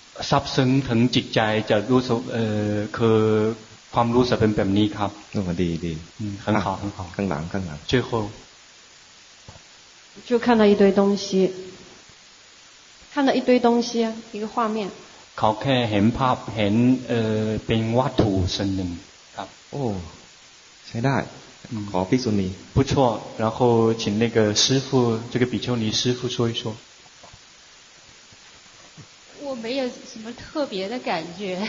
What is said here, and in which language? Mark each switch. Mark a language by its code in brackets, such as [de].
[th] ซับซึ้งถึงจิตใจจะรู้สึกคือความรู้สึกเป็นแบบนี้ครับ นี่มันดี ข้างหลัง ข้างหลัง ช่วยคุณ [zh] 就看到一堆东西看到一堆东西一个画面 [th] เขาแค่เห็นภาพเห็นเป็นวัตถุส่วนหนึ่งครับ โอ้ใช่ได้ขอภิกษุณี [zh] 不错然后请那个师父这个比丘尼师父说一说我没有什么特别的感觉